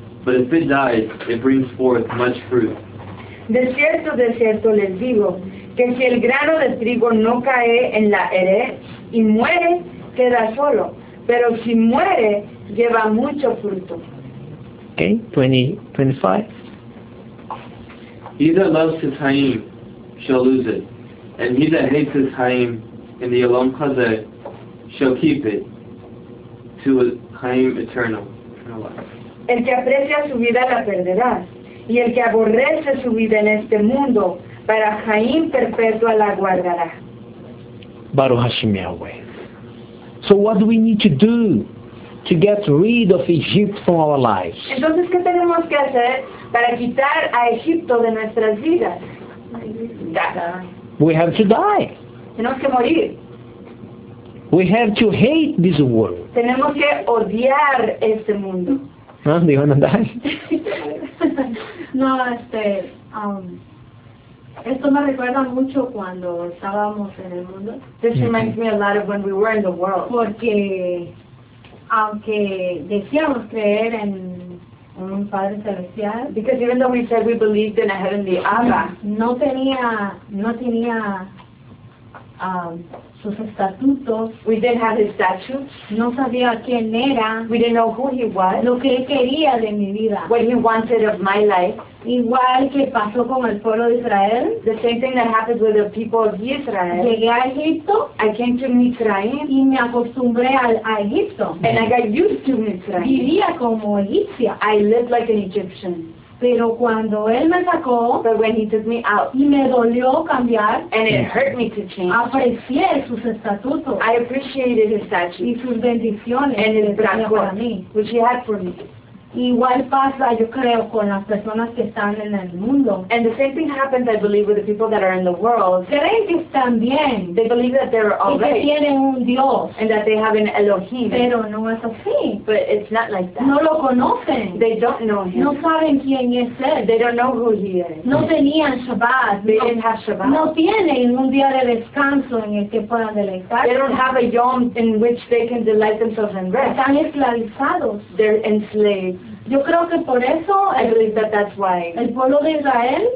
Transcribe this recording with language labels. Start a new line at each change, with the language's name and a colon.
English: But if it dies, it brings forth much fruit.
Spanish: De cierto les digo, que si el grano de trigo no cae en la hered y muere, queda solo. Pero si muere, lleva mucho fruto.
English: Okay, 25. He that loves his ha'im shall lose it, and he that hates his ha'im in the olam hazeh shall keep it to a ha'im eternal.
Spanish: El que aprecia su vida la perderá, y el que aborrece su vida en este mundo para ha'im perpetua la guardará.
Hebrew: Baruch Hashem Yahweh.
English: So what do we need to do to get rid of Egypt from our lives?
Spanish: Entonces, ¿qué tenemos que hacer para quitar a Egipto de nuestras vidas?
English: We have to die.
Spanish: Tenemos que morir.
English: We have to hate this world.
Spanish: Tenemos que odiar este mundo.
English: No, you want to die?
Spanish: No, esto me recuerda mucho cuando estábamos en el mundo.
English: This reminds me a lot of when we were in the world.
Spanish: Porque aunque decíamos creer en un padre celestial,
English: because even though we said we believed in a heavenly Abba,
Spanish: no tenía sus estatutos.
English: We didn't have his statutes.
Spanish: No sabía quién era.
English: We didn't know who he was.
Spanish: Lo que él quería de mi vida.
English: What he wanted of my life.
Spanish: Igual que pasó con el pueblo de Israel.
English: The same thing that happened with the people of Israel.
Spanish: Llegué a Egipto.
English: I came to Mitzrayim.
Spanish: Y me acostumbré a Egipto.
English: And I got used to Mitzrayim.
Spanish: Vivía como egipcia.
English: I lived like an Egyptian.
Spanish: Pero cuando él me sacó,
English: but when he took me out,
Spanish: y me dolió cambiar,
English: and it hurt me to change,
Spanish: aprecié sus estatutos,
English: I appreciated his statutes,
Spanish: y sus bendiciones,
English: and his
Spanish: brazo,
English: which he had for me.
Spanish: Igual pasa, yo creo, con las personas que están en el mundo.
English: And the same thing happens, I believe, with the people that are in the world.
Spanish: Creen que están bien.
English: They believe that they're all right.
Spanish: Y que tienen un Dios.
English: And that they have an Elohim.
Spanish: Pero no es así.
English: But it's not like that.
Spanish: No lo conocen.
English: They don't know him.
Spanish: No saben quién es él.
English: They don't know who he is.
Spanish: No tenían Shabbat.
English: They
Spanish: no,
English: didn't have Shabbat.
Spanish: No tienen un día de descanso en el que puedan deleitarse.
English: They don't have a yom in which they can delight themselves and rest.
Spanish: Están esclavizados.
English: They're enslaved.
Spanish: Yo creo que por eso el pueblo de Israel,